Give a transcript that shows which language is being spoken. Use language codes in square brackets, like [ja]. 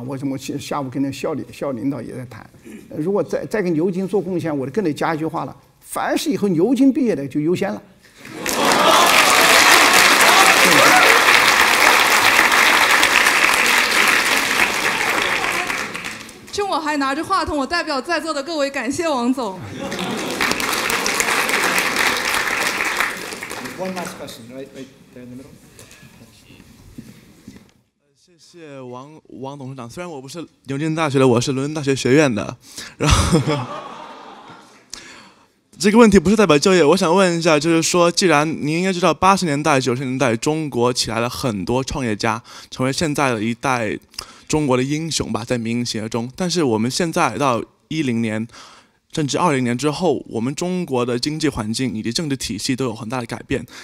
[zh] 我下午跟那校领导也在谈，如果再给牛津做贡献，我就更得加一句话了：凡是以后牛津毕业的就优先了。趁我还拿着话筒，我代表在座的各位感谢王总。 [en] One last question, right there in the middle. [zh] 谢王董事长，虽然我不是牛津大学的，我是伦敦大学学院的，然后这个问题不是代表就业，我想问一下，就是说既然您应该知道80年代90年代中国起来了很多创业家，成为现在的一代中国的英雄吧，在民营企业中，但是我们现在到10年甚至20年之后，我们中国的经济环境以及政治体系都有很大的改变。